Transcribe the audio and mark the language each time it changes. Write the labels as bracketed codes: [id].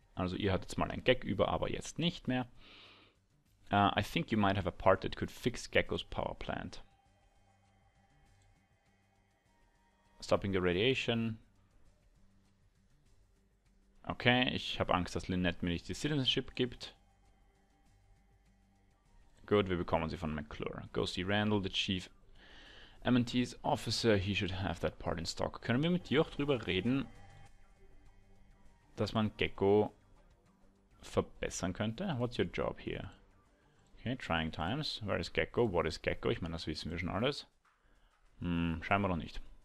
[de] Also, ihr hattet jetzt mal ein Gag über, aber jetzt nicht mehr. [en] I think you might have a part that could fix Gecko's power plant. Stopping the radiation. [de] Okay, ich habe Angst, dass Lynette mir nicht die Citizenship gibt. Gut, wir bekommen sie von McClure. [en] Go see Randall, the Chief M&T's Officer. He should have that part in stock. [de] Können wir mit dir auch drüber reden, dass man Gecko verbessern könnte? [en] What's your job here? Okay, trying times. Where is Gecko? What is Gecko? [de] Ich meine, das wissen wir schon alles. Scheinbar noch nicht.